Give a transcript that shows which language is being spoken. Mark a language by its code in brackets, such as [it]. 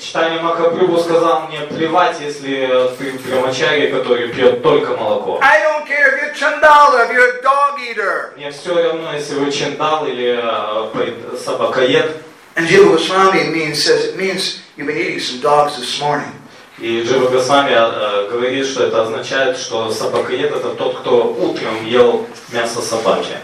[ru] Читание Махапрабху сказал мне плевать, если ты брахмачари, который пьет только молоко. [en] I don't care if you're chandala, if you're a dog eater. [ru] Мне все равно, если вы чандал или собакоед. [en] And Jiva Goswami says it means you've been eating some dogs this morning. [ru] И Джива Госвами говорит, что это означает, что собакоед это тот, кто утром ел мясо собаки.